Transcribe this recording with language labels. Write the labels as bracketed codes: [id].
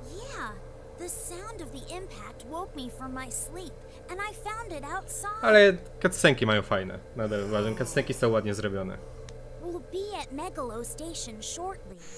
[en] Yeah, the sound of the impact woke me from my sleep and I found it outside. [pl] Ale cutscenki mają fajne. Nadal uważam, cutscenki są ładnie zrobione. [en] We'll be at Megalo Station shortly.